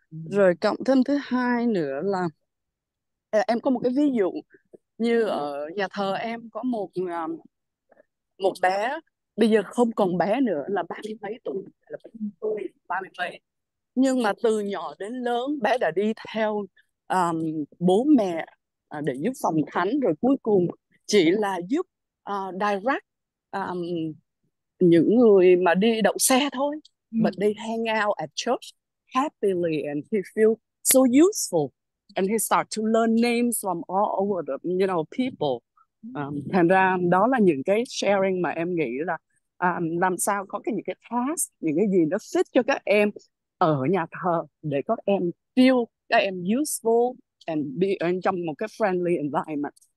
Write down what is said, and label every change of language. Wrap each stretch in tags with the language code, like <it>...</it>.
<vi>Rồi cộng thêm thứ hai nữa là em có một cái ví dụ như ở nhà thờ em có một bé, bây giờ không còn bé nữa, là 30 mấy tuổi, nhưng mà từ nhỏ đến lớn bé đã đi theo bố mẹ để giúp phòng thánh, rồi cuối cùng chỉ là giúp direct những người mà đi đậu xe thôi,</vi> <en>but they hang out at church happily and he feel so useful. And he start to learn names from all over the, you know, people.</en> <vi>Thành ra đó là những cái sharing mà em nghĩ là làm sao có cái những cái task, những cái gì nó fit cho các em ở nhà thờ để các em feel các em useful</vi> <en>and be in</en> <vi>trong một cái friendly environment.</vi>